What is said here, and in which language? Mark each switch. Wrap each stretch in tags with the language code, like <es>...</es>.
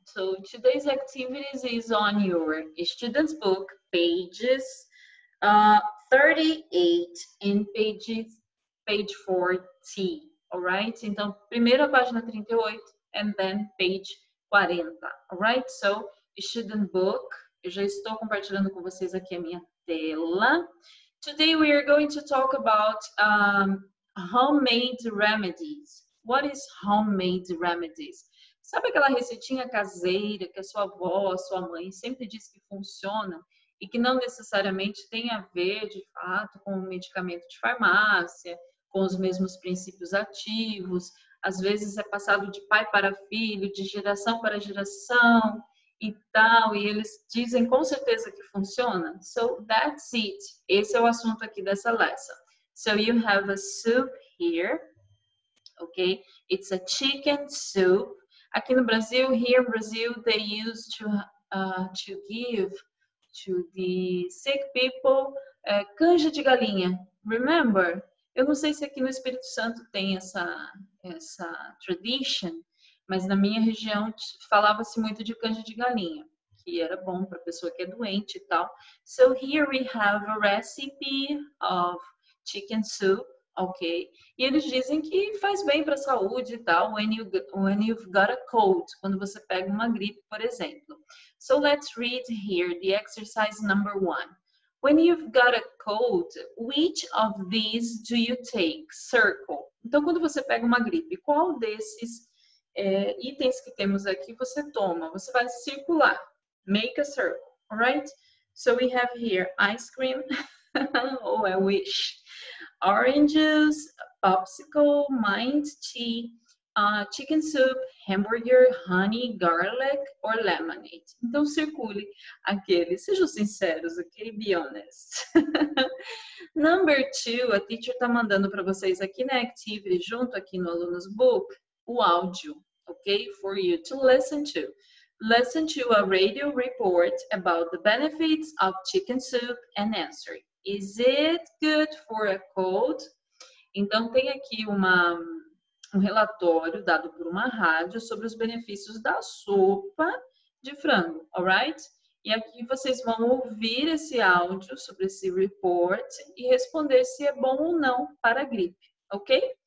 <en>So, today's activities is on your student's book, pages 38 and page 40, all right?</en> <pt>Então, primeiro a página 38,</pt> <en>and then page 40, all right? So, student book,</en> <pt>eu já estou compartilhando com vocês aqui a minha tela.</pt> <en>Today we are going to talk about homemade remedies. What is homemade remedies?</en> <pt>Sabe aquela receitinha caseira que a sua avó, a sua mãe sempre diz que funciona e que não necessariamente tem a ver, de fato, com o medicamento de farmácia, com os mesmos princípios ativos? Às vezes é passado de pai para filho, de geração para geração e tal, e eles dizem com certeza que funciona.</pt> <en>So that's it.</en> <pt>Esse é o assunto aqui dessa lesson.</pt> <en>So you have a soup here. Okay, it's a chicken soup.</en> <pt>Aqui no Brasil,</pt> <en>here in Brazil, they use to give to the sick people canja de galinha. Remember?</en> <pt>Eu não sei se aqui no Espírito Santo tem essa tradition, mas na minha região falava-se muito de canja de galinha, que era bom para pessoa que é doente e tal.</pt> <en>So here we have a recipe of chicken soup.</en> <pt>Okay, e eles dizem que faz bem para a saúde e tal,</pt> <en>when you've got a cold,</en> <pt>quando você pega uma gripe, por exemplo.</pt> <en>So let's read here the exercise number one. When you've got a cold, which of these do you take? Circle.</en> <pt>Então, quando você pega uma gripe, qual desses itens que temos aqui você toma? Você vai circular.</pt> <en>Make a circle, alright? So we have here ice cream. Oh, I wish. Oranges, popsicle, mint tea, chicken soup, hamburger, honey, garlic or lemonade.</en> <pt>Então, circule aqueles. Sejam sinceros, ok?</pt> <en>Be honest.</en> <pt>Number two, a teacher está mandando para vocês aqui na Activity, junto aqui no Alunos Book, o áudio, ok?</pt> <en>For you to listen to. Listen to a radio report about the benefits of chicken soup and answer. Is it good for a cold?</en> <pt>Então, tem aqui um relatório dado por uma rádio sobre os benefícios da sopa de frango, alright? E aqui vocês vão ouvir esse áudio sobre esse report e responder se é bom ou não para a gripe, ok?</pt>